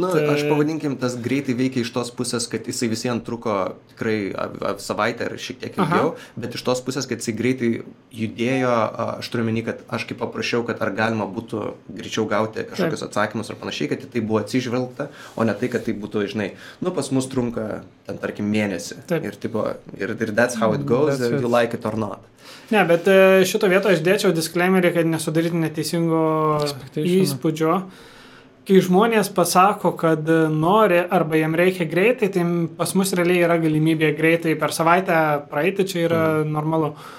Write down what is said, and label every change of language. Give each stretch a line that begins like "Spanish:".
Lithuanian: Nu, aš pavadinkim, tas greitai veikia iš tos pusės, kad jisai visien truko tikrai savaitę ar šiek tiek ilgiau, bet iš tos pusės, kad jisai greitai judėjo, aš turiu meni, kad aš kaip paprašiau, kad ar galima būtų greičiau gauti kažkokius atsakymus ar panašiai, kad tai buvo atsižvelgta, o ne tai, kad tai būtų, žinai, nu, pas mus trunka ten, tarkim, mėnesį. Ir, tipo, ir
English: that's how it goes, if you like it or not.
Lithuanian: Ne, bet šito vieto aš dėčiau disclaimerį, kad nesudaryti neteisingo įspūdžio. Kai žmonės pasako, kad nori arba jam reikia greitai, tai pas mus realiai yra galimybė greitai per savaitę praeiti, čia yra normalu.